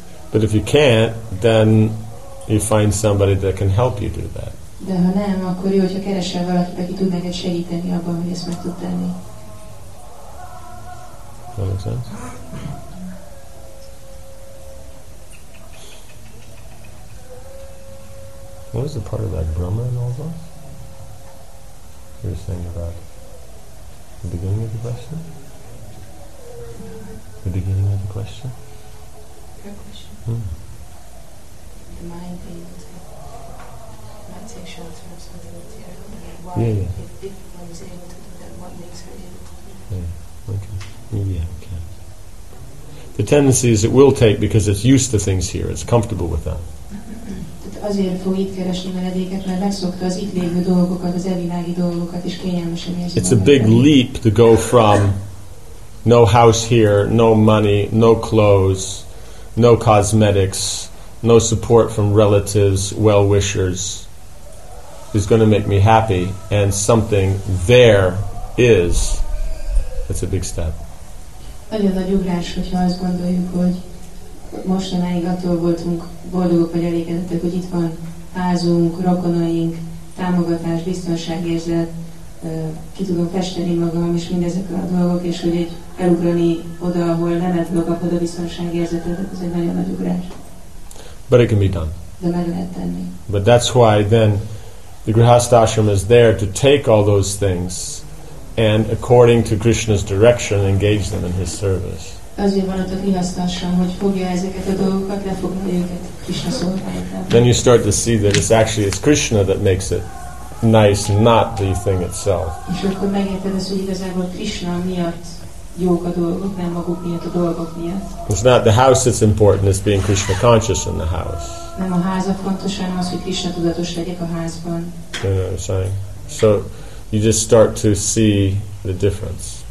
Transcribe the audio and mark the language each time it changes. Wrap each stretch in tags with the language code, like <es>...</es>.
<en>But if you can't, then you find somebody that can help you do that.</en> <hu>De ha nem, akkor jó, hogyha keresel valakit, aki tud neked segíteni abban, hogy ezt meg tud tenni.</hu> <en>That makes sense. What is the part of that Brahma in all of us? You were saying about the beginning of the question? The beginning of the question? The mind being able to not take shelter of something material. Why, yeah, yeah. If one is able to do that, what makes her able to do that? Yeah, okay. Yeah, okay. The tendency is it will take because it's used to things here, it's comfortable with them.</en> <hu>Azért fog itt keresni menedéket, mert megszokta az itt lévő dolgokat, az evilági dolgokat, és kényelmesen érzi.</hu> <en>It's a big leap to go from no house here, no money, no clothes, no cosmetics, no support from relatives, well-wishers, is going to make me happy, and something there is. That's a big step.</en> <hu>Nagyon nagy ugrás, hogyha azt gondoljuk, hogy mostanáig attól voltunk boldogok vagy elégedettek, hogy itt van házunk, rokonaink, támogatás, biztonságérzet, ki tudom festeni magam, és mindezek a dolgok, és hogy egy elugrani oda, ahol nem el tudok kapod a biztonságérzetet, ez egy nagyon nagy ugrás.</hu> <en>But it can be done.</en> <hu>De meg lehet tenni.</hu> <en>But that's why then the Grihastha Ashram is there to take all those things and according to Krishna's direction engage them in his service.</en> <hu>Azért van ott a Grihastha Ashram, hogy fogja ezeket a dolgokat, lefoglalja őket Krishna szolgálatában.</hu> <en>Then you start to see that it's actually it's Krishna that makes it nice, not the thing itself.</en> <hu>És akkor megérted az, hogy igazából Krishna miatt jók a dolgok, nem maguk miatt, a dolgok miatt.</hu> <en>It's not the house that's important, it's being Krishna conscious in the house.</en> <hu>Nem a ház a fontos, hanem az, hogy Krishna tudatos legyek a házban.</hu> <en>You know what I'm saying? So you just start to see the difference.</en>